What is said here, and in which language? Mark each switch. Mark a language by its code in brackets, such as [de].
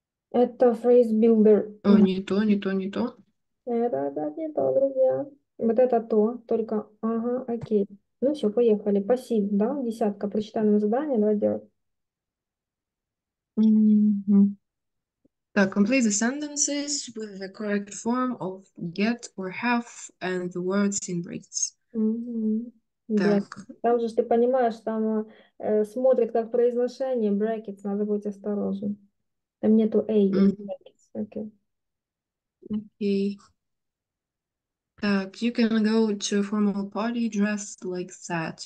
[ru] Это Phrase Builder. О, не то, не то, не то. Это не то, друзья. Вот это то, только, ага, окей. Ну все, поехали. Пассив, да? Десятка. Прочитаем задание, давай делать. [en] Так, complete the sentences with the correct form of get or have and the words in brackets. [ru] Брекет. Так. Там же ты понимаешь, там смотрит как произношение, брекет, надо быть осторожным. Там нету эй, есть брекет, окей. [en] Okay. Так, you can go to a formal party dressed like that.